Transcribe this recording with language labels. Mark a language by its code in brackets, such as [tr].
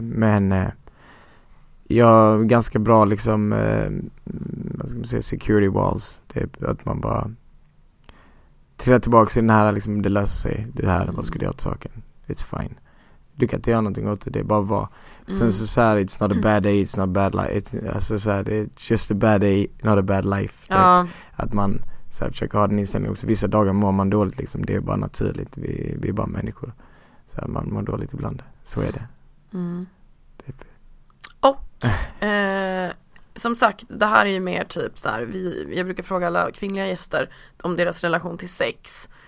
[sv] Men jag har ganska bra liksom vad ska man säga, security walls. Typ, att man bara trillar tillbaka i den här liksom, det löser sig. Det här, vad ska du göra åt saken? [en] It's fine. [sv] Du kan inte göra någonting åt det. Det är bara vad. Sen så här, [en] it's not a bad day, it's not a bad life. [sv] Alltså så här, [en] it's just a bad day, not a bad life. [sv] Typ. Ja. Att man så här, försöker ha den inställningen också. Vissa dagar mår man dåligt liksom. Det är bara naturligt. Vi är bara människor. Så här, man mår dåligt ibland. Så är det. Mm. Typ. Och som sagt, det här är ju mer typ så här, jag brukar fråga alla kvinnliga gäster om deras relation till sex.